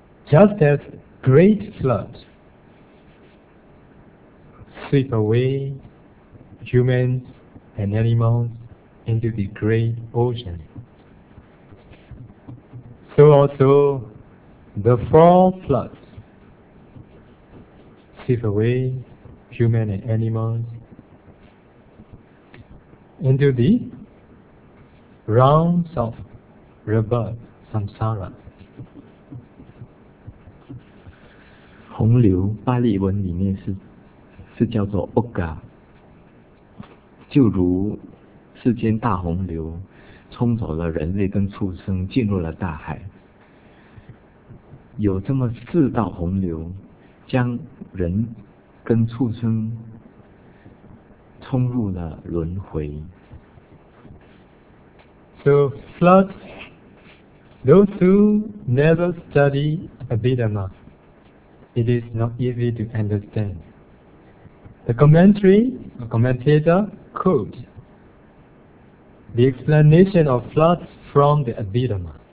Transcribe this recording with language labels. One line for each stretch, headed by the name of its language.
English: Just as great flood sweep away humans and animals into the great ocean, so also the four floods sweep away human and animals into the realms of rebirth, samsara.
Chinese: 洪流，巴利文里面是叫做 Oga，就如世间大洪流冲走了人类跟畜生，进入了大海。有这么四道洪流，将人跟畜生冲入了轮回。
English: So flood, those who never study Abhidhamma, it is not easy to understand. The commentary or commentator quote the explanation of floods from the Abhidhamma.